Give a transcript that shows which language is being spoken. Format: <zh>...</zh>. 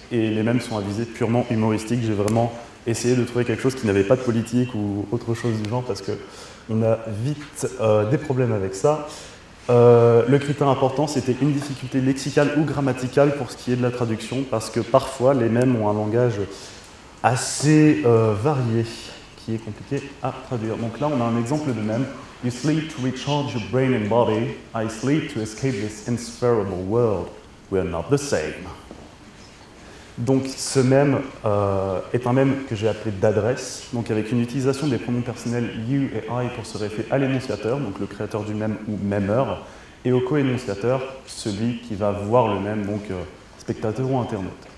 <fr>Et les mèmes sont à visée purement humoristique. J'ai vraiment essayé de trouver quelque chose qui n'avait pas de politique ou autre chose du genre parce qu'on a vite des problèmes avec ça. Le critère important, c'était une difficulté lexicale ou grammaticale pour ce qui est de la traduction parce que parfois, les mèmes ont un langage assez varié. Qui est compliqué à traduire. Donc là, on a un exemple de même.</fr> <en>You sleep to recharge your brain and body. I sleep to escape this insufferable world. We are not the same.</en> <fr>Donc ce même est un même que j'ai appelé d'adresse, donc avec une utilisation des pronoms personnels you et I pour se référer à l'énonciateur, donc le créateur du même ou memeur, et au co-énonciateur, celui qui va voir le même, donc spectateur ou internaute.</fr>